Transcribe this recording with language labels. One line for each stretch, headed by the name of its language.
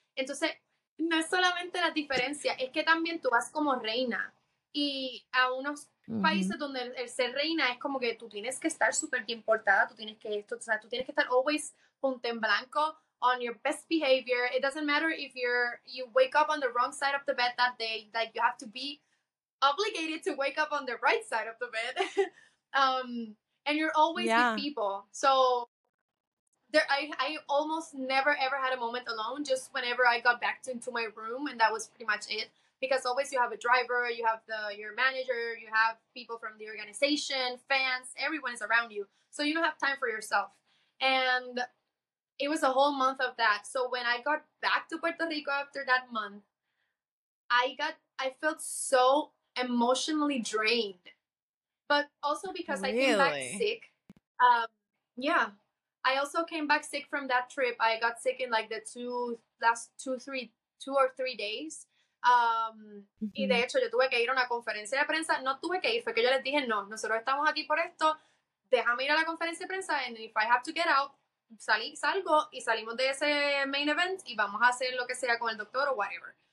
Spanish: Entonces, no es solamente la diferencia, es que también tú vas como reina. Y a unos países donde el ser reina es como que tú tienes que estar súper bien portada, tú tienes que esto, o sea, tú tienes que estar always punta en blanco,
English: on your best behavior. It doesn't matter if you wake up on the wrong side of the bed that day, like you have to be obligated to wake up on the right side of the bed. And you're always with people. So there, I almost never ever had a moment alone, just whenever I got back into my room, and that was pretty much it. Because always you have a driver, you have your manager, you have people from the organization, fans, everyone is around you. So you don't have time for yourself. And it was a whole month of that. So when I got back to Puerto Rico after that month, I felt so emotionally drained. But also because I came back sick. I also came back sick from that trip. I got sick in like the last two or three days.
Spanish: Y de hecho yo tuve que ir a una conferencia de prensa, no tuve que ir, fue que yo les dije, no, nosotros estamos aquí por esto, déjame ir a la conferencia de prensa,
English: and if I have to get out,
Spanish: salgo y salimos de ese main event y vamos a hacer lo que sea con el doctor o whatever.